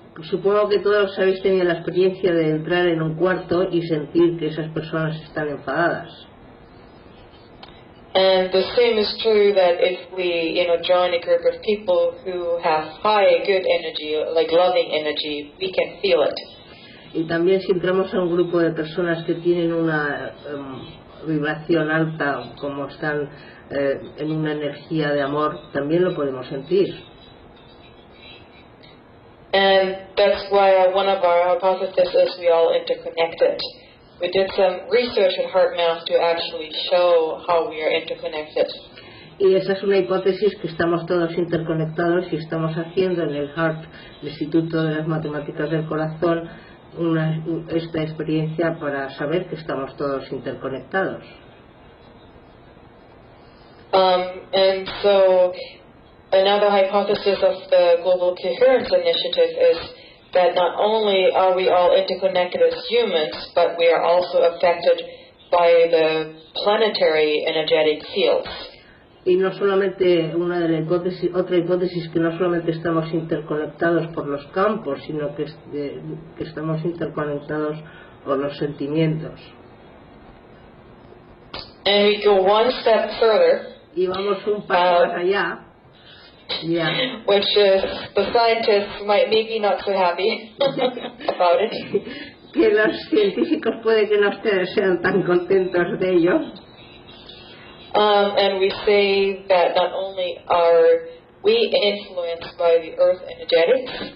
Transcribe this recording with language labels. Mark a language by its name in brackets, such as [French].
[Spanish] Supongo que todos habéis tenido la experiencia de entrar en un cuarto y sentir que esas personas están enfadadas. [English] And the same is true that if we, you know, join a group of people who have high, good energy, like loving energy, we can feel it. [Spanish] Y también si entramos a un grupo de personas que tienen una vibración alta, como están en una energía de amor, también lo podemos sentir. [English] And that's why one of our hypotheses is we all interconnected. We did some research at HeartMath to actually show how we are interconnected. [Spanish] Y esa es una hipótesis que estamos todos interconectados y estamos haciendo en el HEART, el Instituto de las Matemáticas del Corazón, esta experiencia para saber que estamos todos interconectados. [English] And so another hypothesis of the Global Coherence Initiative is that not only are we all interconnected as humans, but we are also affected by the planetary energetic fields. [Spanish] Y no solamente una de las hipótesis, otra hipótesis que no solamente estamos interconectados por los campos, sino que estamos interconectados por los sentimientos. [English] And we go one step further, [Spanish] y vamos un paso más allá, [English] yeah. Which is the scientists might maybe not so happy about it. [Spanish] Que los científicos puede que no sean tan contentos de ello. [English] And we say that not only are we influenced by the earth energetics,